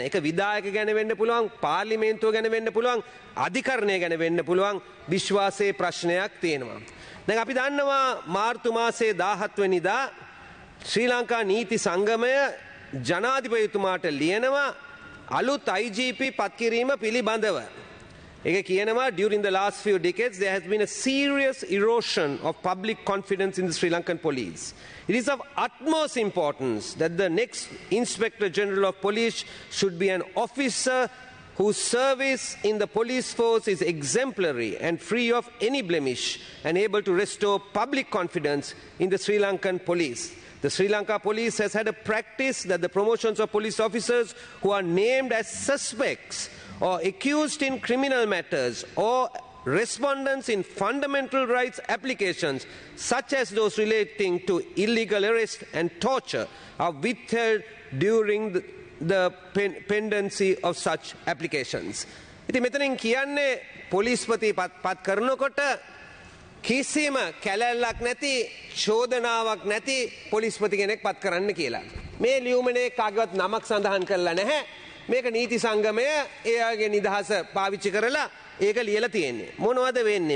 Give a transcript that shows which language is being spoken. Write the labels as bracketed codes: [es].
[si] ඒක විධායක ගැන වෙන්න පුළුවන්, පාර්ලිමේන්තුව ගැන වෙන්න පුළුවන්, අධිකරණය ගැන වෙන්න පුළුවන්. විශ්වාසයේ ප්‍රශ්නයක් තියෙනවා. දැන් අපි දන්නවා මාර්තු මාසයේ 17 වෙනිදා ශ්‍රී ලංකා නීති සංගමය ජනාධිපතිතුමාට ලියනවා අලුත් IGP පත්කිරීම පිළිබඳව. ඒක කියනවා [en] during the last few decades there has been a serious erosion of public confidence in the Sri Lankan police. It is of utmost importance that the next Inspector General of Police should be an officer whose service in the police force is exemplary and free of any blemish and able to restore public confidence in the Sri Lankan police. The Sri Lanka police has had a practice that the promotions of police officers who are named as suspects or accused in criminal matters or respondents in fundamental rights applications, such as those relating to illegal arrest and torture, are withheld during the pendency of such applications. [si] ඉතින් මෙතනින් කියන්නේ පොලිස්පති පත් කරනකොට කිසිම කැලැල්ලක් නැති, චෝදනාවක් නැති පොලිස්පති කෙනෙක් පත් කරන්න කියලා. මේ ලියුමනේ කාගේවත් නමක් සඳහන් කරලා නැහැ. මේක නීති සංගමය එයාගේ නිදහස පාවිච්චි කරලා ඒක ලියලා තියෙන්නේ. මොනවද වෙන්නේ?